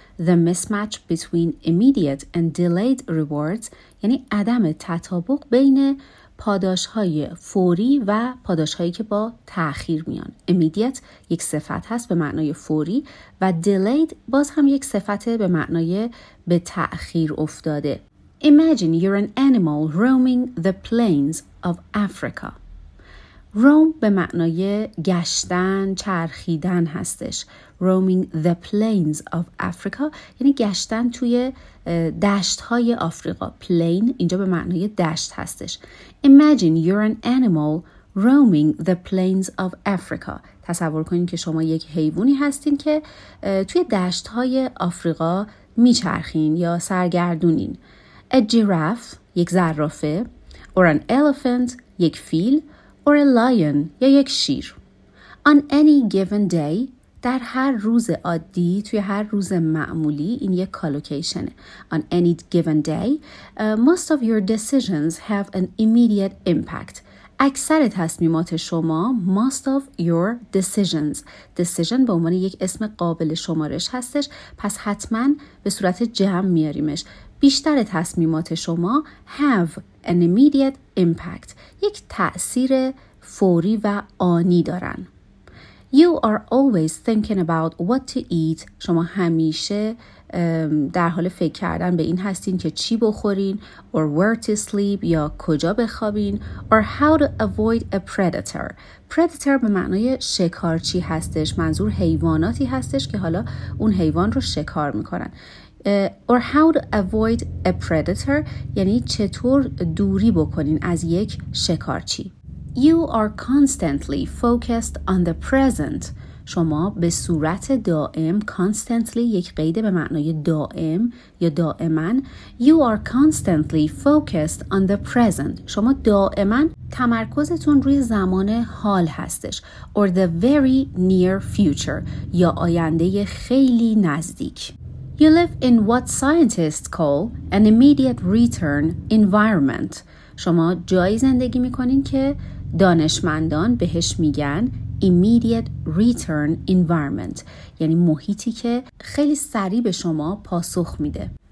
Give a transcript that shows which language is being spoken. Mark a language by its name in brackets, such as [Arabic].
[English] The mismatch between immediate and delayed rewards [Persian] یعنی عدم تطابق بین پاداش‌های فوری و پاداش‌هایی که با تأخیر میان. immediate یک صفت هست به معنای فوری و delayed باز هم یک صفت به معنای به تأخیر افتاده. [English] Imagine you're an animal roaming the plains of Africa. [Persian] Roam به معنای گشتن، چرخیدن هستش. [English] Roaming the plains of Africa [Persian] یعنی گشتن توی دشت‌های آفریقا. Plain اینجا به معنای دشت هستش. [English] Imagine you're an animal roaming the plains of Africa. [Persian] تصور کنید که شما یک حیوانی هستین که توی دشت‌های آفریقا می‌چرخین یا سرگردونین. [English] A giraffe [Persian] یک زرافه، [English] or an elephant [Persian] یک فیل، [English] or a lion [Persian] یا یک شیر. [English] On any given day [Persian] در هر روز عادی، توی هر روز معمولی، این یک کالوکیشنه. [English] On any given day, most of your decisions have an immediate impact. [Persian] اکثر تصمیمات شما، [English] most of your decisions. [Persian] Decision به عنوان یک اسم قابل شمارش هستش، پس حتما به صورت جمع میاریمش. بیشتر تصمیمات شما [English] have an immediate impact. [Persian] یک تأثیر فوری و آنی دارن. [English] You are always thinking about what to eat. [Persian] شما همیشه در حال فکر کردن به این هستین که چی بخورین [English] or where to sleep [Persian] یا کجا بخوابین [English] or how to avoid a predator. [Persian] Predator به معنای شکارچی هستش، منظور حیواناتی هستش که حالا اون حیوان رو شکار میکنن. [English] Or how to avoid a predator [Persian] یعنی چطور دوری بکنین از یک شکارچی. [English] You are constantly focused on the present. [Persian] شما به صورت دائم constantly یک قید به معنای دائم یا دائمان. [English] You are constantly focused on the present. [Persian] شما دائما تمرکزتون روی زمان حال هستش. [English] Or the very near future [Persian] یا آینده خیلی نزدیک. [English] You live in what scientists call an immediate return environment. [Persian] شما جایی زندگی میکنین که دانشمندان بهش میگن [English] immediate return environment، [Persian] یعنی محیطی که خیلی سریع به شما پاسخ میده.